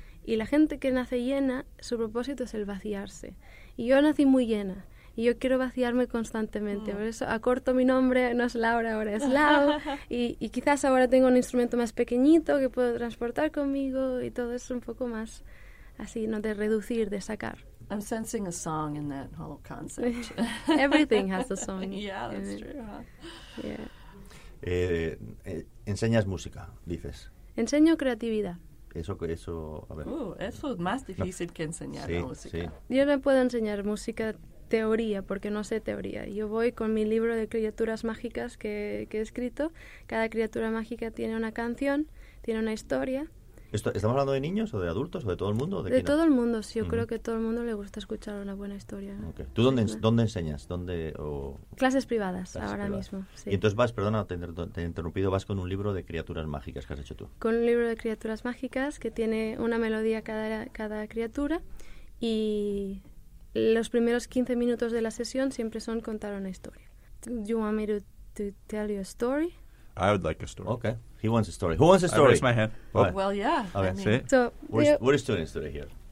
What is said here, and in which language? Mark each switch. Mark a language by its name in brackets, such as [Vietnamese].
[Spanish] Y la gente que nace llena, su propósito es el vaciarse. Y yo nací muy llena, y yo quiero vaciarme constantemente. Por eso acorto mi nombre, no es Laura, ahora es Lau. Y quizás ahora tengo un instrumento más pequeñito que puedo transportar conmigo, y todo es un poco más así, ¿no? De reducir, de sacar. [English] I'm sensing a song in that whole concept. Everything has a song. Yeah, that's true, huh? Yeah. [Spanish] Enseñas música, dices. Enseño creatividad. Eso, a ver. Eso es más difícil que enseñar música. Sí. Yo no puedo enseñar música teoría, porque no sé teoría. Yo voy con mi libro de criaturas mágicas que he escrito. Cada criatura mágica tiene una canción, tiene una historia. ¿Estamos hablando de niños o de adultos o de todo el mundo? De todo el mundo, sí. Yo creo que a todo el mundo le gusta escuchar una buena historia. Okay. ¿Tú dónde enseñas? Clases privadas, ahora mismo. Sí. Y entonces vas, perdona, te he interrumpido, vas con un libro de criaturas mágicas que has hecho tú. Con un libro de criaturas mágicas que tiene una melodía cada criatura. Y los primeros 15 minutos de la sesión siempre son contar una historia. [English] Do you want me to tell you a story? I would like a story. Okay. He wants a story. Who wants a story? I raise my hand. Why? Well, yeah. Okay. I mean. See? So, what is doing story here?